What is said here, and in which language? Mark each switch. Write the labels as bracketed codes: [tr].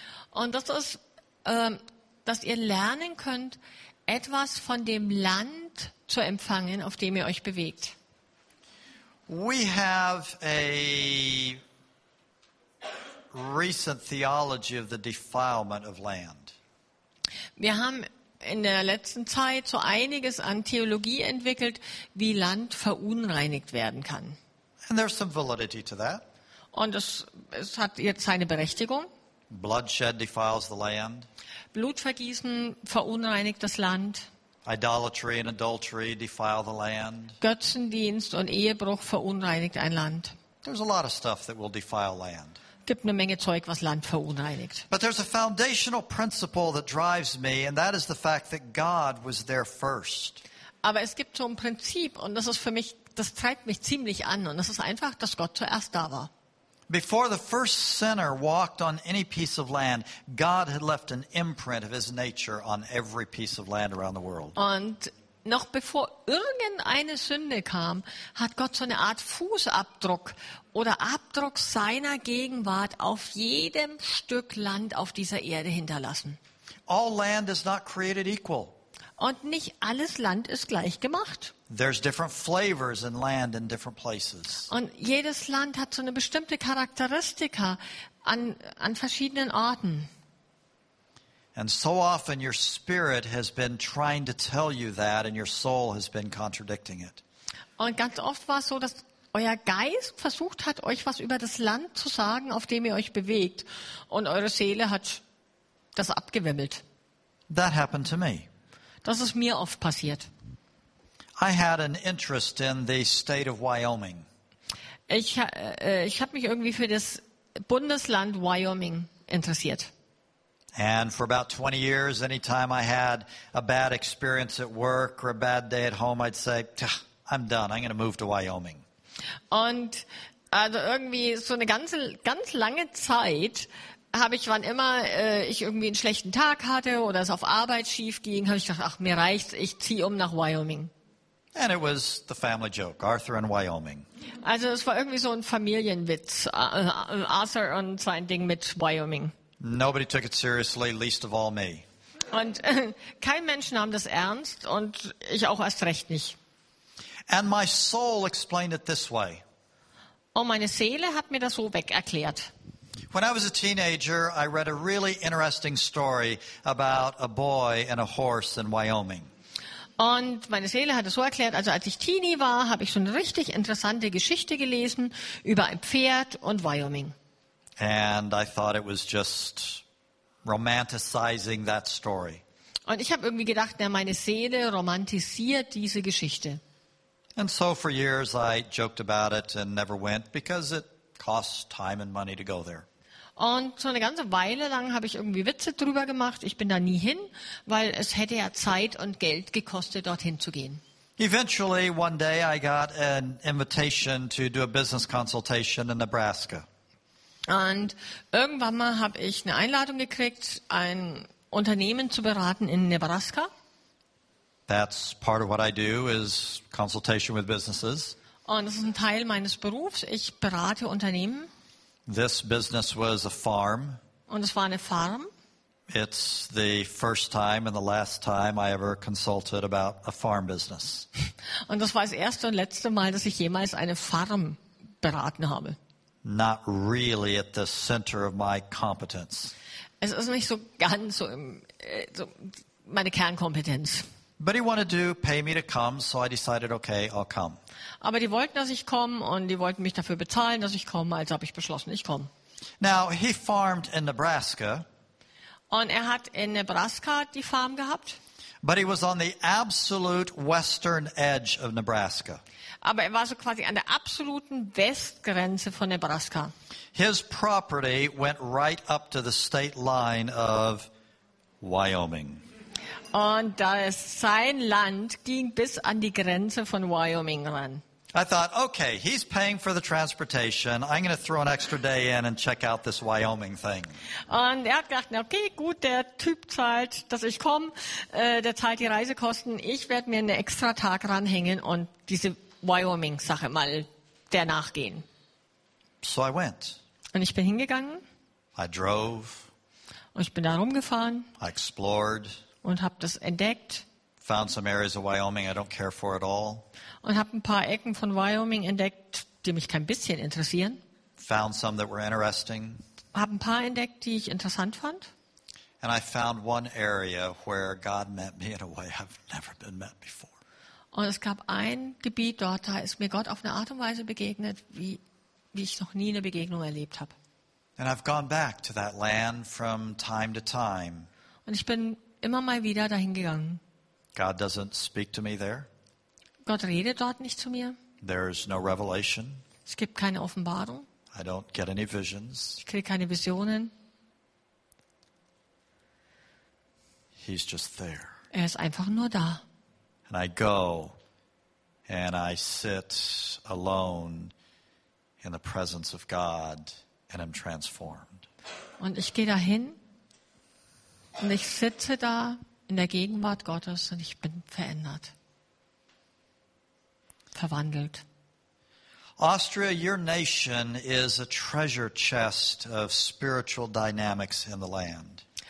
[de] Und das ist, dass ihr lernen könnt, etwas von dem Land zu empfangen, auf dem ihr euch bewegt. [en] We have a recent theology of the defilement of land. [de] Wir haben in der letzten Zeit so einiges an Theologie entwickelt, wie Land verunreinigt werden kann. [en] And there's some validity to that. [de] Und es hat jetzt seine Berechtigung. [en] Bloodshed defiles the land. [de] Blutvergießen verunreinigt das Land. [en] Idolatry and adultery defile the land. [de] Götzendienst und Ehebruch verunreinigt ein Land. [en] There's a lot of stuff that will defile land. [de] Es gibt eine Menge Zeug, was Land verunreinigt. [en] But there's a foundational principle that drives me, and that is the fact that God was there first. [de] Aber es gibt so ein Prinzip, und das ist für mich, das treibt mich ziemlich an, und das ist einfach, dass Gott zuerst da war. [en] Before the first sinner walked on any piece of land, God had left an imprint of his nature on every piece of land around the world. [de] Und noch bevor irgendeine Sünde kam, hat Gott so eine Art Fußabdruck oder Abdruck seiner Gegenwart auf jedem Stück Land auf dieser Erde hinterlassen. [en] All land is not created equal. [de] Und nicht alles Land ist gleich gemacht. [en] There's different flavors in land in different places. [de] Und jedes Land hat so eine bestimmte Charakteristika an verschiedenen Orten. [en] And so often your spirit has been trying to tell you that and your soul has been contradicting it. [de] Und ganz oft war es so, dass euer Geist versucht hat, euch was über das Land zu sagen, auf dem ihr euch bewegt, und eure Seele hat das abgewimmelt. [en] That happened to me. [de] Das ist mir oft passiert. [en] I had an interest in the state of Wyoming. [de] Ich habe mich irgendwie für das Bundesland Wyoming interessiert. [en] And for about 20 years, anytime I had a bad experience at work or a bad day at home, I'd say, I'm done. I'm going to move to Wyoming. [de] Und also irgendwie so eine ganz lange Zeit habe ich, wann immer ich irgendwie einen schlechten Tag hatte oder es auf Arbeit schief ging, habe ich gedacht, ach, mir reicht's, ich ziehe nach Wyoming. [en] And it was the family joke, Arthur in Wyoming. [de] Also es war irgendwie so ein Familienwitz, Arthur und sein Ding mit Wyoming. [en] Nobody took it seriously, least of all me. [de] Und kein Mensch nahm das ernst und ich auch erst recht nicht. [en] And my soul explained it this way. [de] Und meine Seele hat mir das so wegerklärt. [en] When I was a teenager, I read a really interesting story about a boy and a horse in Wyoming. [de] Und meine Seele hat es so erklärt, also als ich Teenie war, habe ich so eine richtig interessante Geschichte gelesen über ein Pferd und Wyoming. [en] And I thought it was just romanticizing that story. [de] Und ich habe irgendwie gedacht, meine Seele romantisiert diese Geschichte. [en] And so for years I joked about it and never went because it costs time and money to go there. [de] Und so eine ganze Weile lang habe ich irgendwie Witze drüber gemacht. Ich bin da nie hin, weil es hätte ja Zeit und Geld gekostet, dorthin zu gehen. [en] Eventually one day I got an invitation to do a business consultation in Nebraska. [de] Und irgendwann mal habe ich eine Einladung gekriegt, ein Unternehmen zu beraten in Nebraska. [en] That's part of what I do, is consultation with businesses. [de] Und das ist ein Teil meines Berufs. Ich berate Unternehmen. [en] This business was a farm. [de] Und es war eine Farm. [en] It's the first time and the last time I ever consulted about a farm business. [de] Und das war das erste und letzte Mal, dass ich jemals eine Farm beraten habe. [en] Not really at the center of my competence. [de] Es ist nicht so ganz so, so meine Kernkompetenz. [en] But he wanted to pay me to come, so I decided, okay, I'll come. [de] Aber die wollten, dass ich komme, und die wollten mich dafür bezahlen, dass ich komme, also habe ich beschlossen, ich komme. [en] Now he farmed in Nebraska. [de] Und er hat in Nebraska die Farm gehabt. [en] But he was on the absolute western edge of Nebraska. [de] Aber er war so quasi an der absoluten Westgrenze von Nebraska. [en] His property went right up to the state line of Wyoming. [de] Und das, sein Land ging bis an die Grenze von Wyoming ran. [en] I thought, okay, he's paying for the transportation. I'm going to throw an extra day in and check out this Wyoming thing. [de] Und er hat gedacht, okay, gut, der Typ zahlt, dass ich komme. Der zahlt die Reisekosten. Ich werde mir einen extra Tag ranhängen und diese Wyoming-Sache mal der nachgehen. [en] So I went. [de] Und ich bin hingegangen. [en] I drove. [de] Und ich bin da rumgefahren. [en] I explored. [de] Und habe das entdeckt. [en] Found some areas of Wyoming I don't care for at all. [de] Und habe ein paar Ecken von Wyoming entdeckt, die mich kein bisschen interessieren. [en] Found some that were interesting. [de] Habe ein paar entdeckt, die ich interessant fand. [en] And I found one area where God met me in a way I've never been met before. [de] Und es gab ein Gebiet dort, da ist mir Gott auf eine Art und Weise begegnet, wie ich noch nie eine Begegnung erlebt habe. [en] And I've gone back to that land from time to time. [de] Und ich bin immer mal wieder dahin gegangen. [en] God doesn't speak to me there. [de] Gott redet dort nicht zu mir. [en] There's no revelation. [de] Es gibt keine Offenbarung. [en] I don't get any visions. [de] Ich kriege keine Visionen. [en] He's just there. [de] Er ist einfach nur da. [en] And I go and I sit alone in the presence of God and I'm transformed. [de] Und ich gehe dahin. Und ich sitze da in der Gegenwart Gottes und ich bin verändert. verwandelt. [en] Austria, your nation is a treasure chest of spiritual dynamics in the land.